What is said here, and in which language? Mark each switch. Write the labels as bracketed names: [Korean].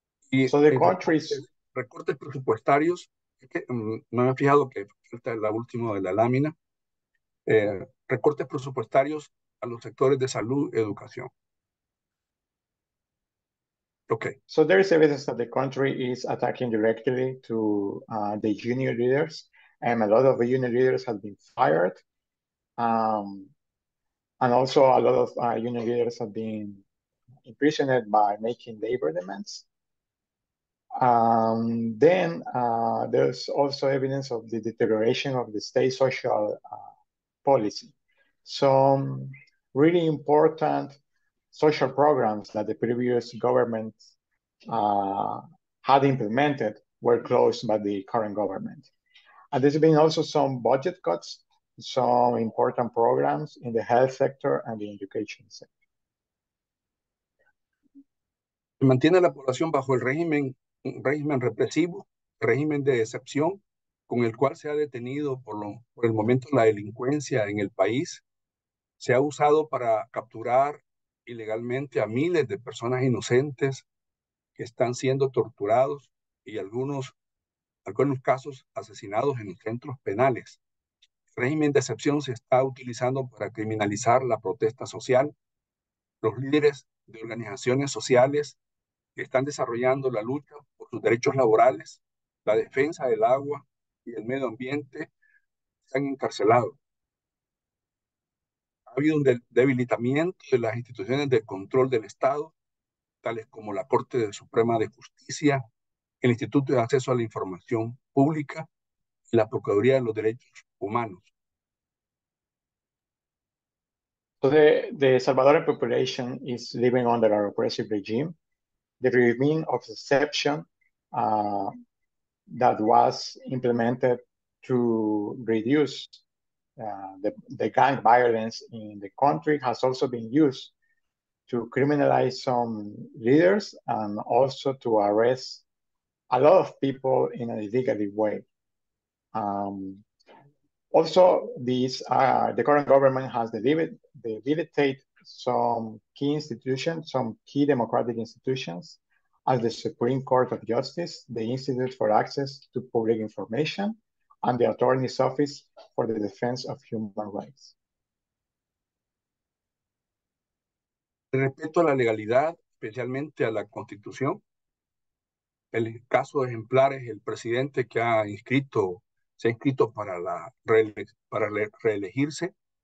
[Spanish] Y [English] so the countries... [Spanish] recortes presupuestarios, es que, no me he fijado que falta la última de la lámina, recortes presupuestarios a los sectores de salud, educación. [English] Okay. So there is evidence that the country is attacking directly to the union leaders, and a lot of the union leaders have been fired. And also a lot of union leaders have been imprisoned by making labor demands. Then there's also evidence of the deterioration of the state social policy. Some really important social programs that the previous government had implemented were closed by the current government. And there's been also some budget cuts, some important programs in the health sector and the education sector. [Spanish] Se mantiene la población bajo el régimen, un régimen represivo, régimen de excepción, con el cual se ha detenido por el momento la delincuencia en el país. Se ha usado para capturar ilegalmente a miles de personas inocentes que están siendo torturados y algunos casos asesinados en los centros penales. El régimen de excepción se está utilizando para criminalizar la protesta social. Los líderes de organizaciones sociales que están desarrollando la lucha por sus derechos laborales, la defensa del agua y el medio ambiente, se han encarcelado. Ha habido un debilitamiento de las instituciones de control del Estado, tales como la Corte Suprema de Justicia, el Instituto de Acceso a la Información Pública y la Procuraduría de los Derechos Humanos. [English] So the Salvadoran population is living under a repressive regime. The regime of exception that was implemented to reduce the gang violence in the country has also been used to criminalize some leaders and also to arrest a lot of people in an illegal way. Also, the current government has debilitated some key institutions, some key democratic institutions, as the Supreme Court of Justice, the Institute for Access to Public Information, and the Attorney's Office for the Defense of Human Rights. [Spanish] Respecto a la legalidad, especialmente a la Constitución, el caso ejemplar es el presidente que se ha inscrito para reelegirse.